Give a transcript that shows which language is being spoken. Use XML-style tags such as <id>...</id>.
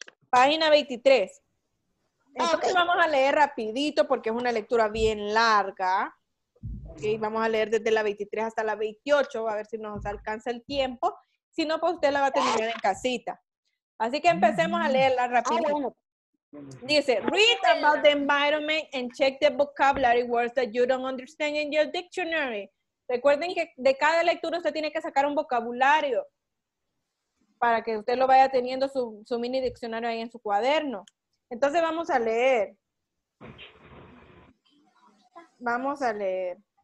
<es>Página 23. Entonces okay. Vamos a leer rapidito porque es una lectura bien larga. Okay, vamos a leer desde la 23 hasta la 28, a ver si nos alcanza el tiempo. Si no, pues usted la va a terminar en casita. Así que empecemos a leerla rápido.</es> <en>Dice, read about the environment and check the vocabulary words that you don't understand in your dictionary.</en> <es>Recuerden que de cada lectura usted tiene que sacar un vocabulario para que usted lo vaya teniendo su mini diccionario ahí en su cuaderno. Entonces vamos a leer. Vamos a leer.</es>